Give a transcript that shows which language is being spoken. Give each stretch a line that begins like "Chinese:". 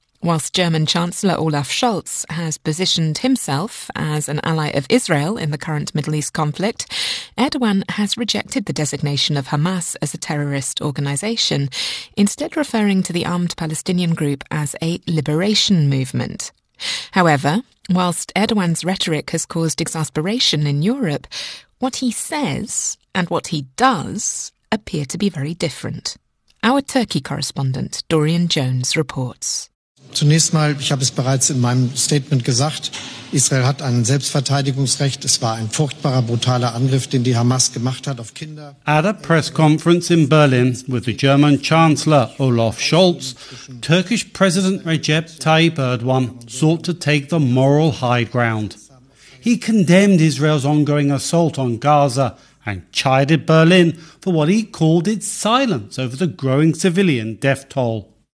English: Whilst German Chancellor Olaf Scholz has positioned himself as an ally of Israel in the current Middle East conflict, Erdogan has rejected the designation of Hamas as a terrorist organisation, instead referring to the armed Palestinian group as a liberation movement. However, whilst Erdogan's rhetoric has caused exasperation in Europe, what he says and what he does appear to be very different. Our Turkey correspondent Dorian Jones reports.
German: Zunächst mal, ich habe es bereits in meinem Statement gesagt, Israel hat ein Selbstverteidigungsrecht. Es war ein furchtbarer, brutaler Angriff, den die Hamas gemacht hat auf Kinder.
English: At a press conference in Berlin with the German Chancellor Olaf Scholz, Turkish President Recep Tayyip Erdogan sought to take the moral high ground. He condemned Israel's ongoing assault on Gaza and chided Berlin for what he called its silence over the growing civilian death toll.